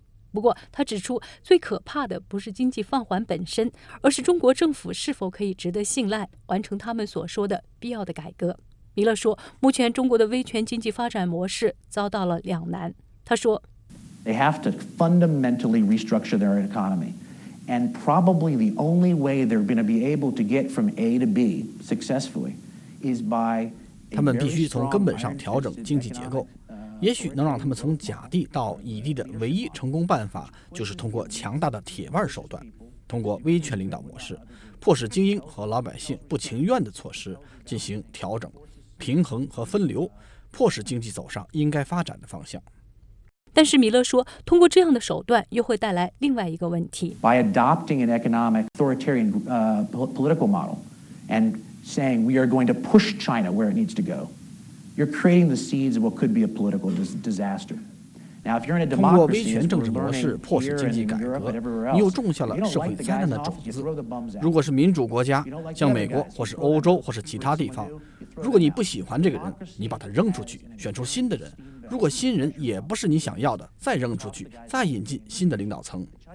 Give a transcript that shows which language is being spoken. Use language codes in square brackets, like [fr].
[zh] 不过他指出，最可怕的不是经济放缓本身，而是中国政府是否可以值得信赖，完成他们所说的必要的改革。米勒说，目前中国的威权经济发展模式遭到了两难。他说， [en] They have to fundamentally restructure their economy. And probably the only way they're going to be able to get from A to B successfully is by [zh] 他们必须从根本上调整经济结构。也许能让他们从甲地到乙地的唯一成功办法，就是通过强大的铁腕手段，通过威权领导模式，迫使精英和老百姓不情愿的措施进行调整。平衡和分流，迫使经济走上应该发展的方向。但是米勒说，通过这样的手段又会带来另外一个问题。 [en] By adopting an economic authoritarian political model and saying we are going to push China where it needs to go, you're creating the seeds of what could be a political disaster. Now, if you're in a democracy, [zh] 通过威权政治模式迫使经济改革，你又种下了社会灾难的种子。如果是民主国家，像美国或是欧洲或是其他地方。如果你不喜欢这个人，你把他扔出去，选出新的人。如果新人也不是你想要的，再扔出去，再引进新的领导层。